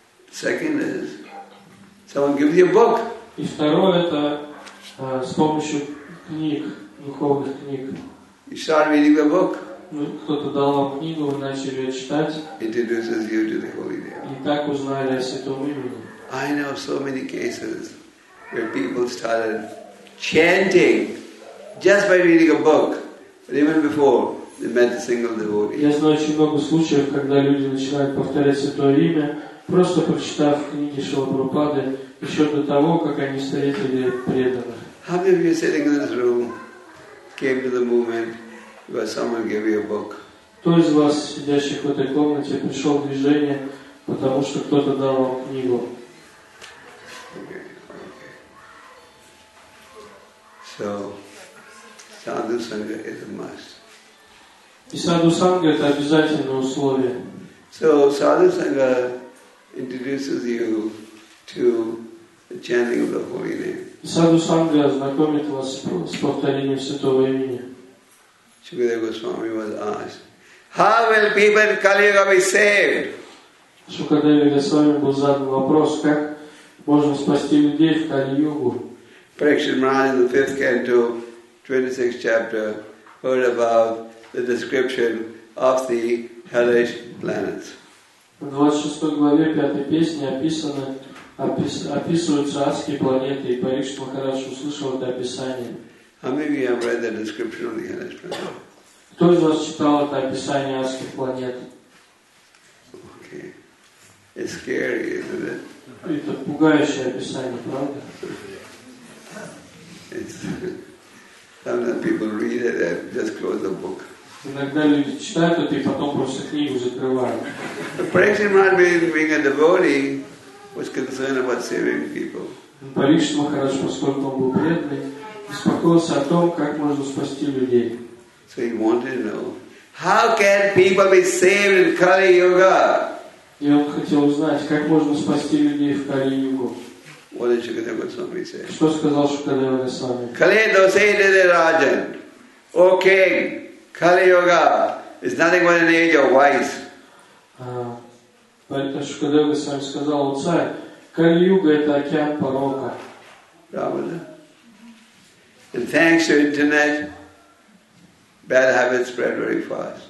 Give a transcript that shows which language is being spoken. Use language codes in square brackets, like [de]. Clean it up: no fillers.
[en] Second is someone gives you a book. [ru] И второе это с помощью книг, духовных книг. [en] You start reading the book. [ru] Кто-то дал вам книгу, вы начали ее читать. [en] Introduces you to the holy name. [ru] И так узнали о святом имени. [en] I know so many cases where people started chanting just by reading a book, but even before they met a single devotee. [ru] Я знаю очень много случаев, когда люди начинают повторять святое имя, просто прочитав книги Шрилы Прабхупады, еще до того, как они встретили преданных. [en] How many of you sitting in this room came to the movement? Where someone gave you a book. [ru] Кто из вас, сидящих в этой комнате, пришел в движение, потому что кто-то дал вам книгу? [en] Okay. So, Sadhu Sangha is a must. [ru] И Sadhu Sangha это обязательное условие. [en] So, Sadhu Sangha introduces you to the chanting of the holy name. [ru] Sadhu Sangha знакомит вас с повторением святого имени. [en] Shukadeva Goswami was asked, how will people in Kali Yuga be saved? [ru] Shukadeva Goswami был задан вопрос, как можно спасти людей в Кали Югу. [en] Parikshit Maharaj in the 5th canto, 26th chapter, heard about the description of the hellish planets. [ru] В 26 главе 5 песни описываются адские планеты, и Парикшит Махарадж услышал это описание. [en] How many of you have read the description of the hellish planet? [ru] Кто из вас читал это описание адских планет? [en] Okay. It's scary, isn't it? [ru] Это пугающее описание, правда? [en] Sometimes people read it and just close the book. [ru] Иногда люди читают это и потом просто книгу закрывают. [en] Parikshit Maharaj, being a devotee, was concerned about saving people. [ru] Парикшит Махарадж, поскольку он был преданный, беспокоился о том, как можно спасти людей. [en] So he wanted to know, how can people be saved in Kali Yuga? [ru] И он хотел узнать, как можно спасти людей в Кали Югу. [en] What did Shukadeva Goswami say? [ru] Что сказал Шукадева Госвами? [en] Kali Dosaidhe Rajan. O King, Kali Yuga is nothing but an age of vice. [ru] Шукадева Госвами сказал, царь, Кали-юга это океан порока. Правда? [en] And thanks to internet, bad habits spread very fast.